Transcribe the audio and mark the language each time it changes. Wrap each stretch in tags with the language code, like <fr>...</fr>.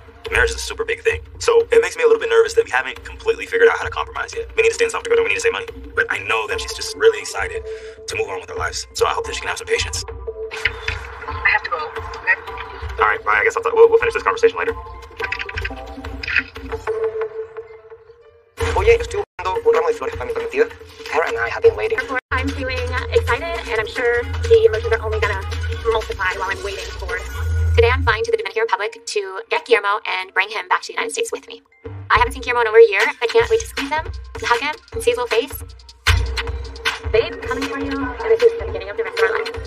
<en>Marriage is a super big thing. So it makes me a little bit nervous that we haven't completely figured out how to compromise yet. We need to stay in South Dakota. We need to save money. But I know that she's just really excited to move on with her lives. So I hope that she can have some patience. I have to go. Okay. All right, bye. I guess we'll finish this conversation later.</en> <es>Oye, estoy buscando un ramo de flores para mi prometida.</es> <en>Tara and I have been waiting. I'm feeling excited, and I'm sure the emotions are only gonna multiply while I'm waiting for. Today I'm flying to the Dominican Republic to get Guillermo and bring him back to the United States with me. I haven't seen Guillermo in over a year. I can't wait to squeeze him, to hug him, and see his little face. Babe, coming for you, and this is the beginning of the rest of our life.</en>